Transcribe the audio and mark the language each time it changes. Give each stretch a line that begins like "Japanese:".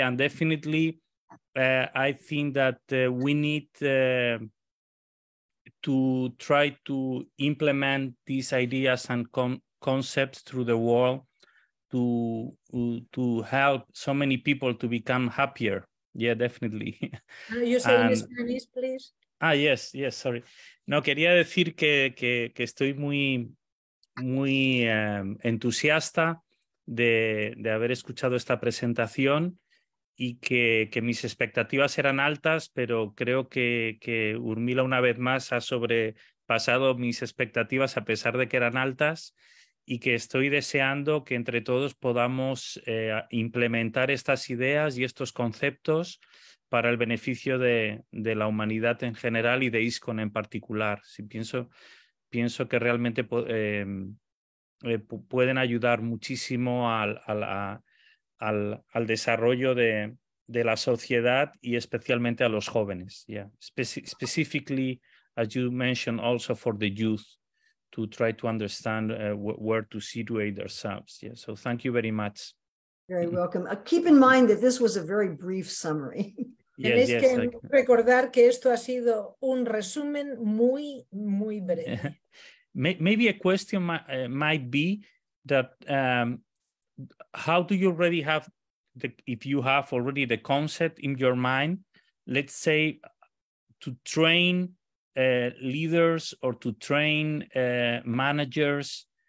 English: And definitely, I think that we need to try to implement these ideas and concepts through the world, to help so many people to become happier. Yeah, definitely. You say in Spanish, please. Ah, yes, yes, sorry.
Spanish: No, quería decir que estoy muy, muy entusiasta de haber escuchado esta presentación y que mis expectativas eran altas, pero creo que Urmila una vez más ha sobrepasado mis expectativas a pesar de que eran altas. y que estoy deseando que entre todos podamos implementar estas ideas y estos conceptos para el beneficio de la humanidad en general y de ISKCON en particular. Si pienso que realmente pueden ayudar muchísimo al desarrollo de la sociedad y especialmente a los jóvenes.
English: Yeah. Specifically, as you mentioned, also for the youth to try to understand where to situate themselves. Yeah. So thank you very much. Very welcome. Keep in mind that this was a very brief summary.
Spanish: Yes, tenéis que recordar que esto ha sido un resumen muy, muy breve.
English: Maybe a question might be that how do you already have, if you have already the concept in your mind, let's say, to train leaders or to train managers